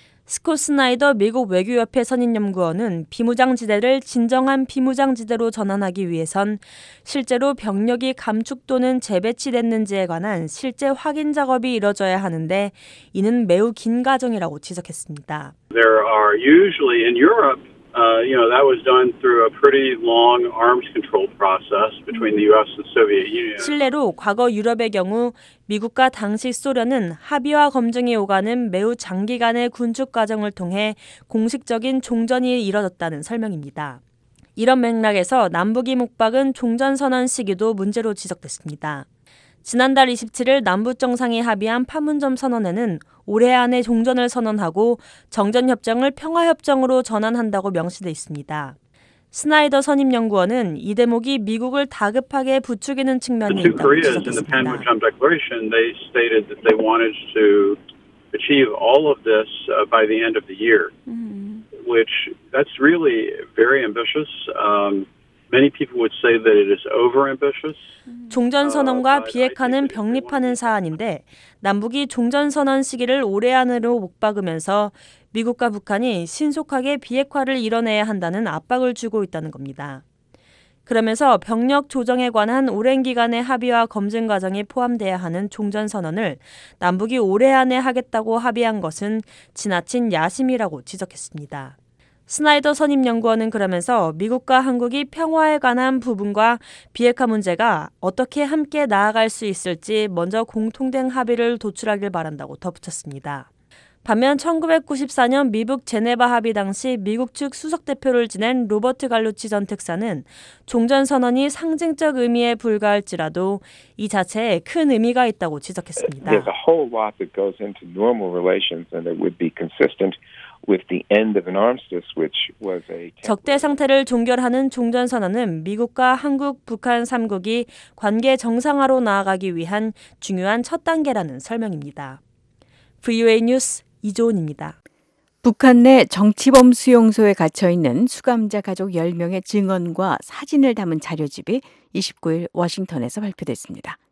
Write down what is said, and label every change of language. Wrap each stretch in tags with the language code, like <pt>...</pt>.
<ko>스콧 스나이더 미국 외교협회 선임연구원은 비무장지대를 진정한 비무장지대로 전환하기 위해선 실제로 병력이 감축 또는 재배치됐는지에 관한 실제 확인 작업이 이뤄져야 하는데 이는 매우 긴 과정이라고 지적했습니다.</ko> <en>There are usually in Europe, you know, that was done through a pretty long arms control process between the U.S. and Soviet Union.</en> <ko>실례로 과거 유럽의 경우 미국과 당시 소련은 합의와 검증이 오가는 매우 장기간의 군축 과정을 통해 공식적인 종전이 이뤄졌다는 설명입니다. 이런 맥락에서 남북이 묵박은 종전 선언 시기도 문제로 지적됐습니다. 지난달 27일 남북정상이 합의한 판문점 선언에는 올해 안에 종전을 선언하고 정전협정을 평화협정으로 전환한다고 명시돼 있습니다. 스나이더 선임연구원은 이 대목이 미국을 다급하게 부추기는 측면이 있다고 지적했습니다.</ko> <en>Which that's really very ambitious. Many people would say that it is overambitious.</en> <ko>종전 선언과 비핵화는 병립하는 사안인데 남북이 종전 선언 시기를 올해 안으로 묵박으면서 미국과 북한이 신속하게 비핵화를 이뤄내야 한다는 압박을 주고 있다는 겁니다. 그러면서 병력 조정에 관한 오랜 기간의 합의와 검증 과정이 포함돼야 하는 종전 선언을 남북이 올해 안에 하겠다고 합의한 것은 지나친 야심이라고 지적했습니다. 스나이더 선임연구원은 그러면서 미국과 한국이 평화에 관한 부분과 비핵화 문제가 어떻게 함께 나아갈 수 있을지 먼저 공통된 합의를 도출하길 바란다고 덧붙였습니다. 반면 1994년 미북 제네바 합의 당시 미국 측 수석대표를 지낸 로버트 갈루치 전 특사는 종전선언이 상징적 의미에 불과할지라도 이 자체에 큰 의미가 있다고 지적했습니다.</ko> <en>There's a whole lot that goes into normal relations and it would be consistent. With the end of an armistice, which was a</en> <ko>적대 상태를 종결하는 종전 선언은 미국과 한국, 북한 3국이 관계 정상화로 나아가기 위한 중요한 첫 단계라는 설명입니다. VOA 뉴스 이조은입니다. 북한 내 정치범 수용소에 갇혀 있는 수감자 가족 10명의 증언과 사진을 담은 자료집이 29일 워싱턴에서 발표됐습니다.</ko>